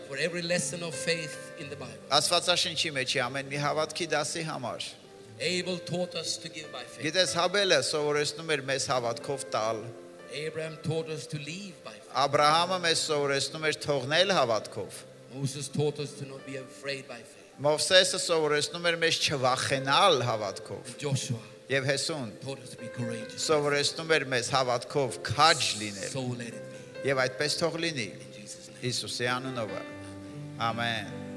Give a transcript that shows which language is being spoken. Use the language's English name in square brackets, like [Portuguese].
[English] for every lesson of faith in the Bible. [Armenian] Աստվածաշնչի մեջի ամեն մի հավատքի դասի համար, [English] Abel taught us to give by faith. [Armenian] Գիտես, Հաբելը սովորեցնում էր մեզ հավատքով տալ, [English] Abraham taught us to live by faith. [Armenian] Աբրահամը մեզ սովորեցնում էր թողնել հավատքով, [English] Moses taught us to not be afraid by faith. [Armenian] Մովսեսը սովորեցնում էր մեզ չվախենալ հավատքով, [English] Joshua. [Armenian] Եվ Հեսուն սովորեցնում էր մեզ հավատքով քաջ լինել, եւ այդպես թող լինի Հիսուսի անունով, ամեն։